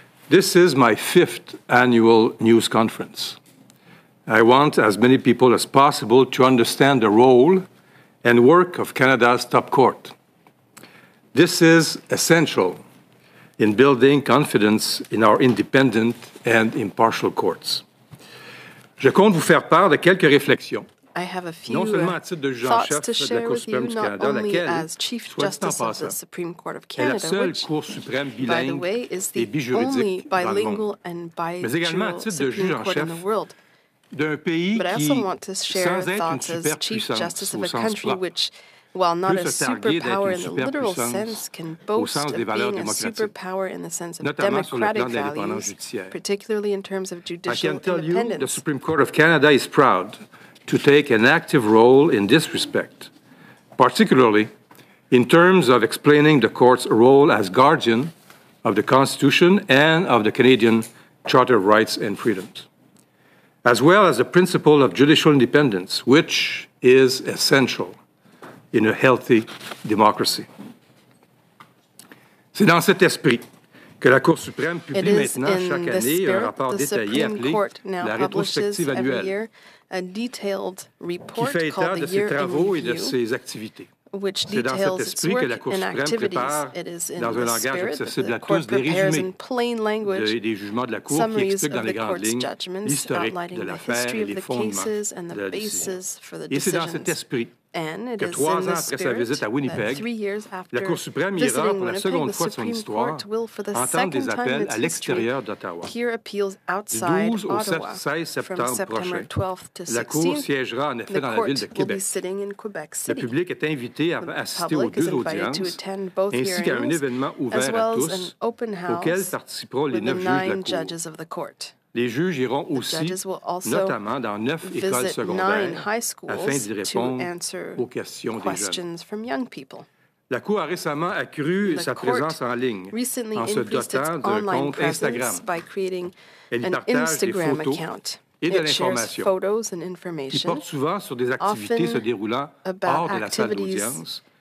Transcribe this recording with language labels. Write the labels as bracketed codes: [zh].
[en] This is my fifth annual news conference. I want as many people as possible to understand the role and work of Canada's top court. This is essential in building confidence in our independent and impartial courts. [fr] Je compte vous faire part de quelques réflexions. [en] I have a few thoughts to share with you, not only as Chief Justice of the Supreme Court of Canada, which, by the way, is the only bilingual and bijuridical Supreme Court in the world, but I also want to share thoughts as Chief Justice of a country which, while not a superpower in the literal sense, can boast of being a superpower in the sense of democratic values, particularly in terms of judicial independence. I can tell you the Supreme Court of Canada is proud to take an active role in this respect, particularly in terms of explaining the court's role as guardian of the Constitution and of the Canadian Charter of Rights and Freedoms, as well as the principle of judicial independence, which is essential in a healthy democracy. [fr] C'est dans cet esprit que la Cour suprême publie maintenant chaque année un rapport détaillé appelé la rétrospective annuelle, [en] a detailed report called the Year in Review, which details its work and activities. It is in the spirit that the Court prepares in plain language summaries of the Court's judgments, outlining the history of the cases and the basis for the decisions. And it is in this spirit Winnipeg, that 3 years after visiting Winnipeg, the Supreme Court will, for the second time in its history, hear appeals outside Ottawa from September 12th to 16th. The court will be sitting in Quebec City. The public is invited to attend both hearings, as well as an open house with the 9 judges of the court. [fr] Les juges iront aussi, notamment dans 9 écoles secondaires, afin d'y répondre aux questions des jeunes. La Cour a récemment accru sa présence en ligne en se dotant d'un compte Instagram. Elle y partage des photos et de l'information qui portent souvent sur des activités se déroulant hors de la salle d'audience.